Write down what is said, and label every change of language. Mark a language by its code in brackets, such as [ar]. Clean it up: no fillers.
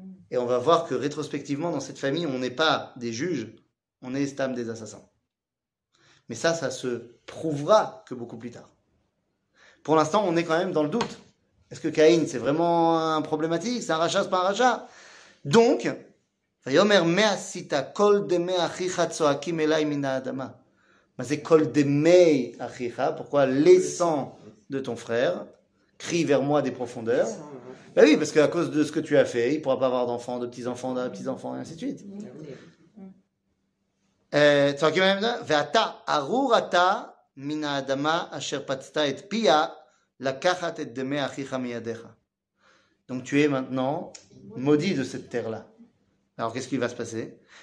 [fr] Et on va voir que rétrospectivement, dans cette famille, on n'est pas des juges, on est stam des assassins. Mais ça se prouvera que beaucoup plus tard. Pour l'instant, on est quand même dans le doute. Est-ce que Caïn, c'est vraiment un problématique? C'est un rachat, c'est pas un rachat? Donc, [he] ויאמר מה עשית כל דמי אחיך צועקים אליי מן האדמה. מה זה כל דמי אחיך? [fr] Pourquoi les sangs de ton frère crient vers moi des profondeurs? Ben oui, parce qu'à cause de ce que tu as fait, il ne pourra pas avoir d'enfants, de petits-enfants, de petits-enfants, et ainsi de suite. [he] צועקים אליי מן האדמה. ואתה, ארור אתה מן האדמה אשר פצתה את פיה לקחת את דמי אחיך מידיך. [fr] Donc tu es maintenant maudit de cette terre-là. Alors, qu'est-ce qui va se passer?